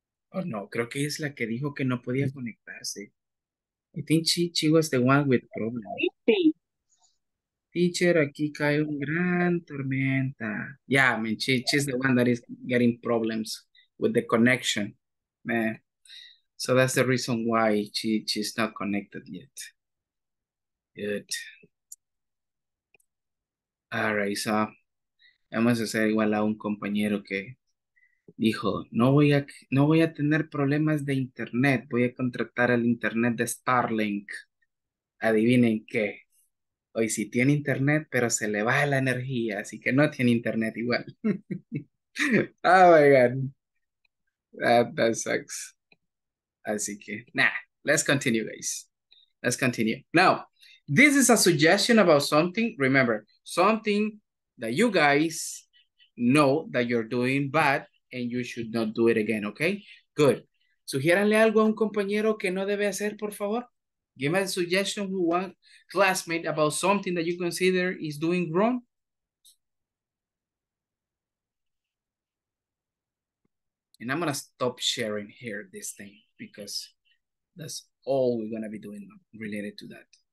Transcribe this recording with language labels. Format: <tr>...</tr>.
<es>Oh, no, creo que es la que dijo que no podía conectarse.</es> <en>I think she was the one with problems. Teacher,</en> <es>aquí cae un gran tormenta.</es> <en>Yeah, I mean, she's the one that is getting problems with the connection. Man. So that's the reason why she's not connected yet. Good. All right, so</en> <es>vamos a hacer igual a un compañero que dijo, no voy a tener problemas de internet, voy a contratar el internet de Starlink. Adivinen qué. Hoy sí tiene internet, pero se le va la energía, así que no tiene internet igual.</es> <en>Oh my God. That sucks.</en> <es>Así que,</es> <en>nah, let's continue, guys. Let's continue. Now, this is a suggestion about something. Remember, something that you guys know that you're doing bad and you should not do it again, okay? Good.</en> <es>Sugiéranle algo a un compañero que no debe hacer, por favor.</es> <en>Give me a suggestion with one classmate about something that you consider is doing wrong. And I'm going to stop sharing here this thing, because that's all we're going to be doing related to that.</en>